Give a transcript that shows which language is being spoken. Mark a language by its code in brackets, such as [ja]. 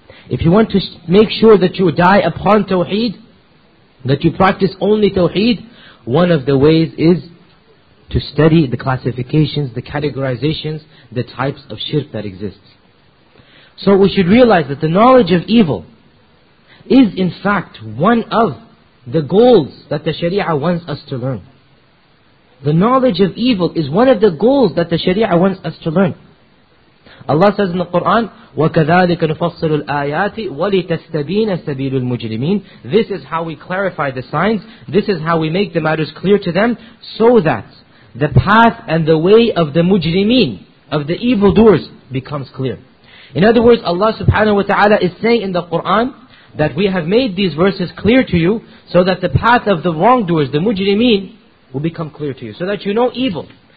[en] If you want to make sure that you die upon tawheed, that you practice only tawheed, one of the ways is to study the classifications, the categorizations, the types of shirk that exists. So we should realize that the knowledge of evil is in fact one of the goals that the Sharia wants us to learn. The knowledge of evil is one of the goals that the Sharia wants us to learn. Allah says in the Quran, [ar] وَكَذَلِكَ نُفَصِّلُ الْآيَاتِ وَلِتَسْتَبِينَ سَبِيلُ الْمُجْرِمِينَ. [en] This is how we clarify the signs, this is how we make the matters clear to them, so that the path and the way of the mujrimeen, of the evildoers, becomes clear. In other words, Allah subhanahu wa ta'ala is saying in the Quran that we have made these verses clear to you so that the path of the wrongdoers, the mujrimeen, will become clear to you, so that you know evil.